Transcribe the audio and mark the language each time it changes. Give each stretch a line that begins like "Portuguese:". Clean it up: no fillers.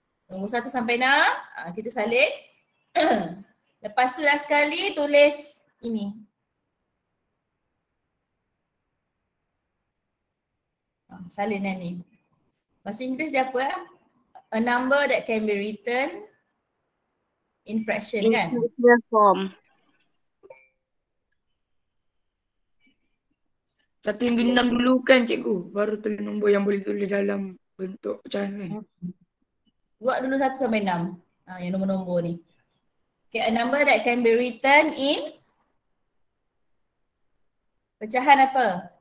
Malay: Nombor 1 sampai 6, kita salin. Lepas tu last sekali tulis ini. Salin eh ni. Bahasa Inggeris dia apa ya?
English: A number that can be written in fraction in
Malay: kan?
English: Integer form.
Malay: Satu yang dinam dulu kan cikgu, baru tulis nombor yang boleh tulis dalam bentuk pecahan ni. Buat dulu 1 sampai 6, yang nombor-nombor ni.
English: Okay, a number that can be written in
Malay: pecahan apa?